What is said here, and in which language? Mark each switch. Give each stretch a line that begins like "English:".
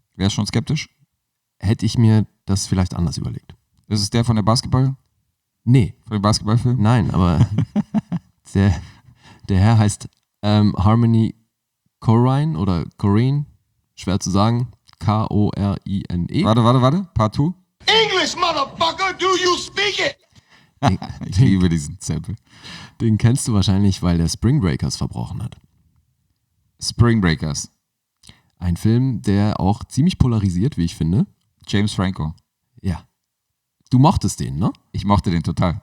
German: Wärst du schon skeptisch? Hätte ich mir das vielleicht anders überlegt. Ist es der von der Basketball? Nee. Von dem Basketballfilm? Nein, aber der Herr heißt Harmony Korine oder Corrine. Schwer zu sagen. K-O-R-I-N-E. Warte. Part 2.
English: English, motherfucker, do you speak it?
German: Ich liebe diesen Zempel. Den kennst du wahrscheinlich, weil der Spring Breakers verbrochen hat. Spring Breakers. Ein Film, der auch ziemlich polarisiert, wie ich finde. James Franco. Ja. Du mochtest den, ne? Ich mochte den total.